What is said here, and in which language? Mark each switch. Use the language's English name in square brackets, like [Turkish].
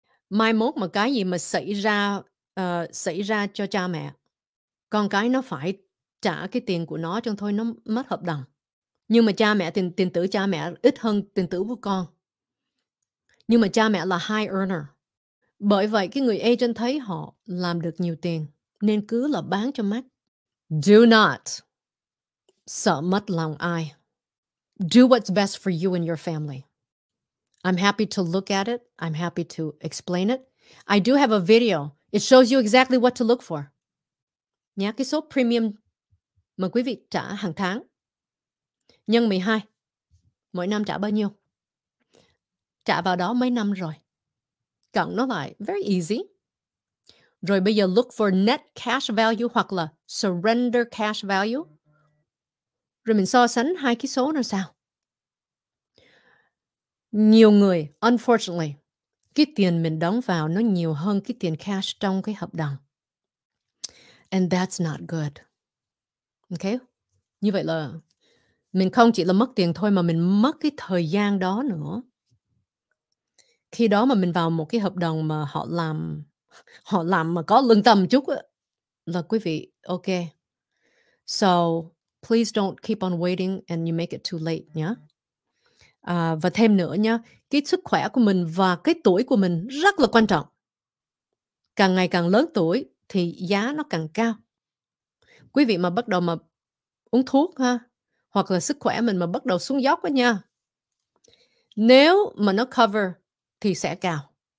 [Vietnamese] Mai mốt mà cái gì mà xảy ra cho cha mẹ, con cái nó phải trả cái tiền của nó cho thôi, nó mất hợp đồng. Nhưng mà cha mẹ, tiền tử cha mẹ ít hơn tiền tử của con. Nhưng mà cha mẹ là [English] high earner. [Vietnamese] Bởi vậy, cái người agent thấy họ làm được nhiều tiền, nên cứ là bán cho mắt. [English] Do not [Vietnamese] sợ mất lòng ai. [English] Do what's best for you and your family. I'm happy to look at it. I'm happy to explain it. I do have a video. It shows you exactly what to look for. [Vietnamese] Nhá, cái số premium mà quý vị trả hàng tháng. Nhân 12, mỗi năm trả bao nhiêu? Trả vào đó mấy năm rồi? Cộng nó lại, [English] very easy. [Vietnamese] Rồi bây giờ [English] look for net cash value [Vietnamese] hoặc là [English] surrender cash value. [Vietnamese] Rồi mình so sánh hai cái số nó sao? Nhiều người, unfortunately, cái tiền mình đóng vào nó nhiều hơn cái tiền cash trong cái hợp đồng. [English] And that's not good. Okay? [Vietnamese] Như vậy là mình không chỉ là mất tiền thôi mà mình mất cái thời gian đó nữa. Khi đó mà mình vào một cái hợp đồng mà họ làm mà có lương tâm chút á, là quý vị, ok. [English] So, please don't keep on waiting and you make it too late, nhá. [Vietnamese] Và thêm nữa nhá, cái sức khỏe của mình và cái tuổi của mình rất là quan trọng. càng ngày càng lớn tuổi thì giá nó càng cao. Quý vị mà bắt đầu mà uống thuốc ha, hoặc là sức khỏe mình mà bắt đầu xuống dốc đó nha, nếu mà nó cover thì sẽ cao.